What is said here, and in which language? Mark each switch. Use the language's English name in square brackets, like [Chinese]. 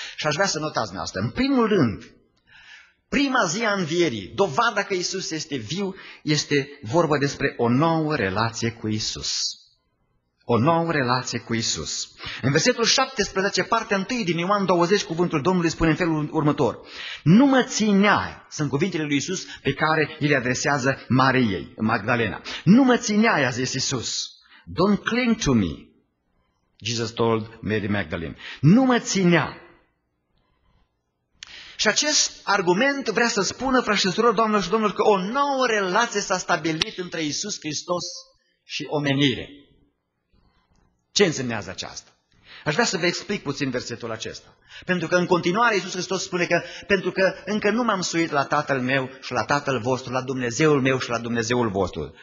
[Romanian] Și aș vrea să notați asta. În primul rând, prima zi a învierii, dovada că Iisus este viu, este vorba despre o nouă relație cu Iisus. O nouă relație cu Iisus. În versetul 17, partea 1 din Ioan 20, cuvântul Domnului spune în felul următor. Nu mă țineai, sunt cuvintele lui Iisus pe care îi le adresează Mariei, Magdalena. Nu mă țineai, a zis Iisus. [English] Don't cling to me, Jesus told Mary Magdalene. [Romanian] Nu mă ținea. Și acest argument vrea să spună, frașesturilor, doamnelor și domnilor, că o nouă relație s-a stabilit între Iisus Hristos și omenire. Ce însemnează aceasta? Aș vrea să vă explic puțin versetul acesta. Pentru că în continuare Iisus Hristos spune că pentru că încă nu m-am suit la Tatăl meu și la Tatăl vostru, la Dumnezeul meu și la Dumnezeul vostru.